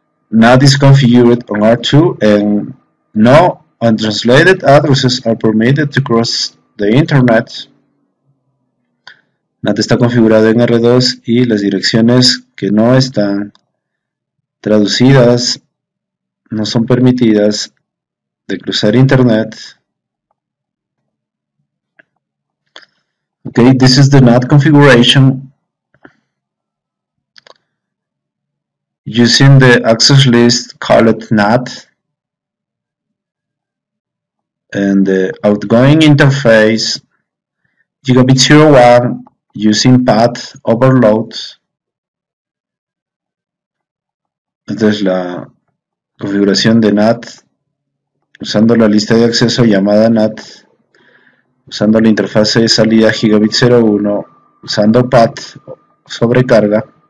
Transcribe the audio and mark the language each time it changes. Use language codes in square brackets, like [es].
[en] Now it's configured on R2, and no untranslated addresses are permitted to cross the internet. [es] NAT está configurado en R2 y las direcciones que no están traducidas no son permitidas de cruzar internet. [en] Okay, this is the NAT configuration. Using the access list called NAT and the outgoing interface gigabit 0.1 using path overload. [es] Esta es la configuración de NAT usando la lista de acceso llamada NAT, usando la interfase de salida gigabit 0.1, usando path sobrecarga.